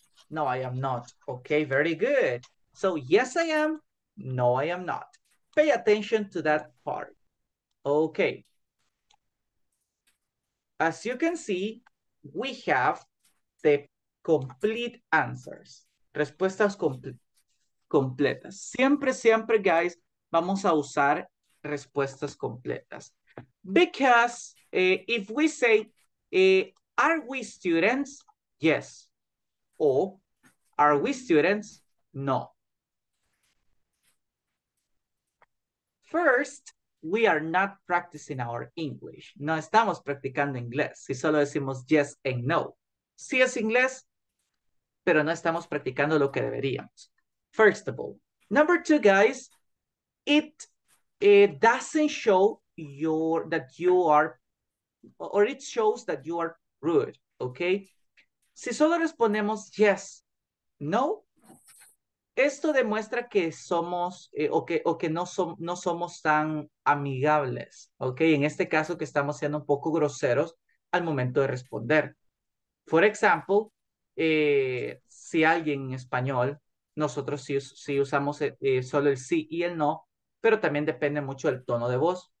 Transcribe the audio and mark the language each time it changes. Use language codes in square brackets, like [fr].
[en] No, I am not. Okay, very good. So, yes, I am. No, I am not. Pay attention to that part. Okay. As you can see, we have the complete answers. [es] Respuestas completas. Siempre, siempre, guys, vamos a usar respuestas completas. [en] Because if we say, are we students? Yes. O, are we students? No. First, we are not practicing our English. [es] No estamos practicando inglés. Si solo decimos [en] yes and no. [es] Sí es inglés, pero no estamos practicando lo que deberíamos. [en] First of all. Number two, guys, it doesn't show your that you are, or it shows that you are rude, okay? [es] Si solo respondemos yes, no, esto demuestra que somos, no somos tan amigables, ¿ok? En este caso que estamos siendo un poco groseros al momento de responder. [en] For example, [es] si alguien en español, nosotros sí usamos solo el sí y el no, pero también depende mucho del tono de voz.